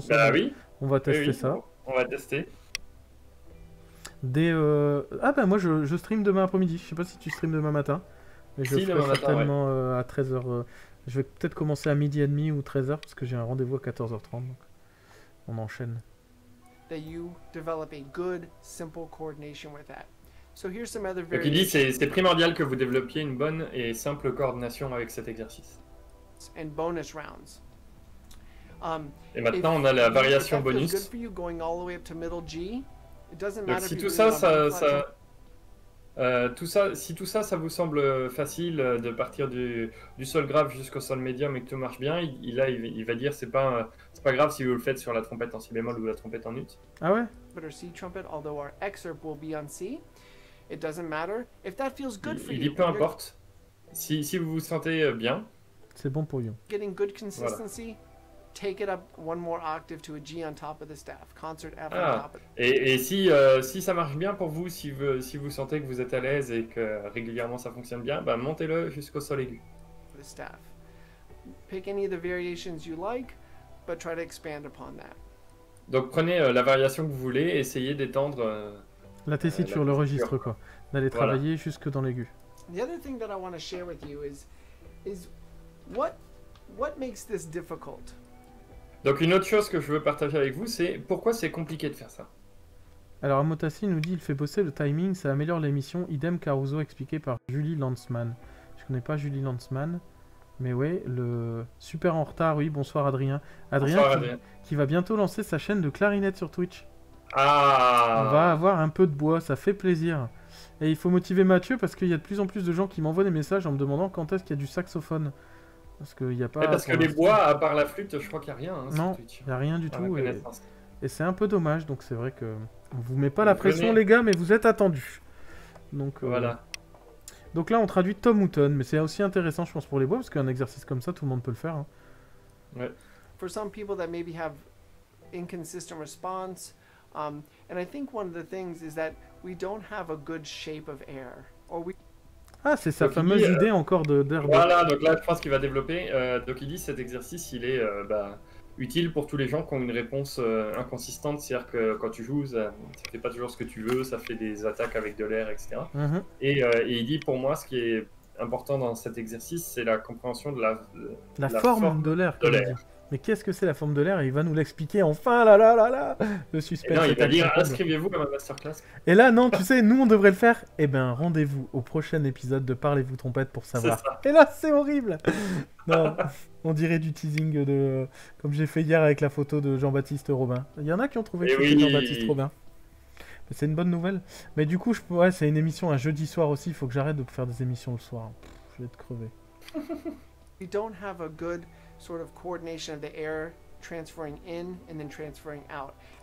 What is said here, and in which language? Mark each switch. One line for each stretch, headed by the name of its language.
French: Bah oui. On va tester oui. Ça. On va tester. Moi je stream demain après-midi. Je sais pas si tu stream demain matin. Mais je si, ferai certainement matin, ouais. À 13h. Je vais peut-être commencer à midi et demi ou 13h parce que j'ai un rendez-vous à 14h30. Donc on enchaîne.
English: That you develop a good, simple coordination with that. So here's some other variations.
French: Donc il dit c'est primordial que vous développiez une bonne et simple coordination avec cet exercice.
English: And bonus rounds.
French: Et maintenant on a la variation bonus.
English: Good for you going all the way up to middle G. It doesn't matter.
French: Donc si tout ça vous semble facile de partir du sol grave jusqu'au sol médium et que tout marche bien, il va dire c'est pas grave si vous le faites sur la trompette en si bémol ou la trompette en ut. Ah ouais.
English: But our C trumpet, although our excerpt will be on C, it doesn't matter if that feels good for
French: you. Il dit peu importe si vous vous sentez bien. C'est bon pour you.
English: Getting good consistency. Voilà. Take it up one more octave to a G on top of the staff. Concert F on top.
French: Et si ça marche bien pour vous, si vous sentez que vous êtes à l'aise et que régulièrement ça fonctionne bien, bah montez-le jusqu'au sol aigu.
English: The staff. Pick any of the variations you like, but try to expand upon that.
French: Donc prenez la variation que vous voulez et essayez d'étendre la tessiture, le registre quoi, d'aller travailler jusque dans l'aigu.
English: The other thing that I want to share with you is what makes this difficult?
French: Donc une autre chose que je veux partager avec vous, c'est pourquoi c'est compliqué de faire ça. Alors Amotassi nous dit, il fait bosser le timing, ça améliore l'émission. Idem Caruso expliqué par Julie Lanzmann. Je connais pas Julie Lanzmann, mais ouais, le super en retard, oui, bonsoir Adrien. Adrien, bonsoir, qui va bientôt lancer sa chaîne de clarinette sur Twitch. Ah. On va avoir un peu de bois, ça fait plaisir. Et il faut motiver Mathieu parce qu'il y a de plus en plus de gens qui m'envoient des messages en me demandant quand est-ce qu'il y a du saxophone. Parce que y a pas. Et parce que les bois, à part la flûte, je crois qu'il n'y a rien. Hein, non, il n'y a rien du tout. Et c'est un peu dommage, donc c'est vrai que. On vous met pas la pression, les gars, mais vous êtes attendus. Donc. Voilà. Donc là, on traduit Tom Houghton, mais c'est aussi intéressant, je pense, pour les bois, parce qu'un exercice comme ça, tout le monde peut le faire. Hein. Ouais.
English: For some people that maybe have inconsistent response, and I think one of the things is that we don't have a good shape of air. Or we.
French: Ah, c'est sa fameuse idée encore d'herbe. Voilà, donc là, je pense qu'il va développer. Donc, il dit cet exercice, il est utile pour tous les gens qui ont une réponse inconsistante, c'est-à-dire que quand tu joues, ça ne fait pas toujours ce que tu veux, ça fait des attaques avec de l'air, etc. Mm-hmm. Et il dit, pour moi, ce qui est important dans cet exercice, c'est la compréhension de la forme de l'air. Mais qu'est-ce que c'est la forme de l'air? Il va nous l'expliquer enfin, là là là là, le suspense. Et non, il va dire, inscrivez-vous à ma masterclass. Et là, non, tu sais, nous, on devrait le faire. Eh ben, rendez-vous au prochain épisode de Parlez-vous Trompette pour savoir. Et là, c'est horrible. Non, on dirait du teasing de... comme j'ai fait hier avec la photo de Jean-Baptiste Robin. Il y en a qui ont trouvé que c'était Jean-Baptiste Robin. C'est une bonne nouvelle. Mais du coup, c'est une émission un jeudi soir aussi. Il faut que j'arrête de faire des émissions le soir. Pff, je vais être crevé.
English: You don't have a good sort of coordination of the air transferring in and then transferring out.